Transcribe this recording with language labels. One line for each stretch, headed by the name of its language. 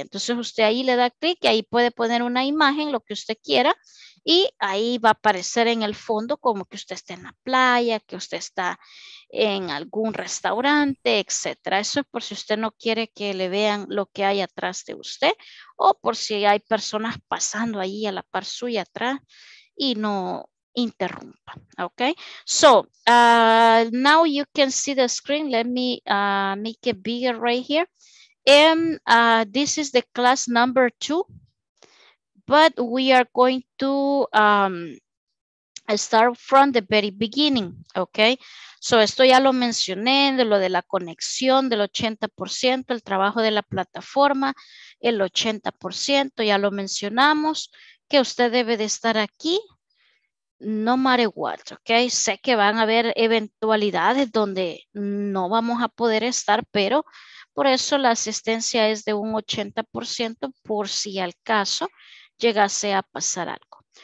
Spanish: Entonces usted ahí le da clic y ahí puede poner una imagen, lo que usted quiera, y ahí va a aparecer en el fondo como que usted está en la playa, que usted está en algún restaurante, etcétera. Eso es por si usted no quiere que le vean lo que hay atrás de usted, o por si hay personas pasando ahí a la par suya atrás y no interrumpa.
English: Okay, so now you can see the screen. Let me make it bigger right here. And this is the class number 2, but we are going to start from the very beginning.
Spanish: Okay, so esto ya lo mencioné, de lo de la conexión del 80%, el trabajo de la plataforma, el 80%, ya lo mencionamos, que usted debe de estar aquí.
English: No matter what,
Spanish: ok. Sé que van a haber eventualidades donde no vamos a poder estar, pero por eso la asistencia es de un 80% por si al caso llegase a pasar algo.